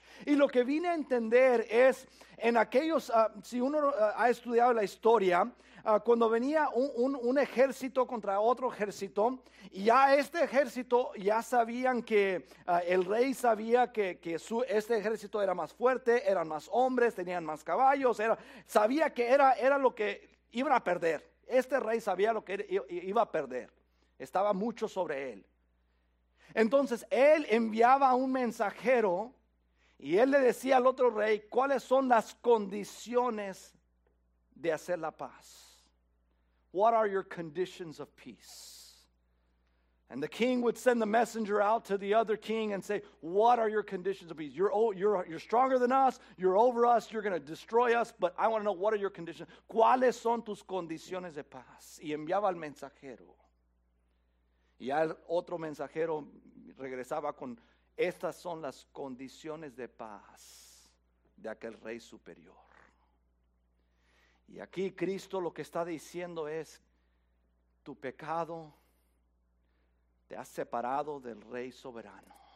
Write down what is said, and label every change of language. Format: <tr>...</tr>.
<es>Y lo que vine a entender es, en aquellos, si uno ha estudiado la historia, cuando venía un ejército contra otro ejército, y ya este ejército ya sabían que el rey sabía que este ejército era más fuerte, eran más hombres, tenían más caballos, sabía que era lo que iban a perder. Este rey sabía lo que iba a perder, estaba mucho sobre él. Entonces él enviaba un mensajero y él le decía al otro rey cuáles son las condiciones de hacer la paz.</es> <en>What are your conditions of peace? And the king would send the messenger out to the other king and say, what are your conditions of peace? You're stronger than us, you're over us, you're going to destroy us, but I want to know, what are your conditions?</en> <es>¿Cuáles son tus condiciones de paz? Y enviaba al mensajero. Y al otro mensajero regresaba con, estas son las condiciones de paz de aquel rey superior. Y aquí Cristo lo que está diciendo es, tu pecado te has separado del rey soberano.</es>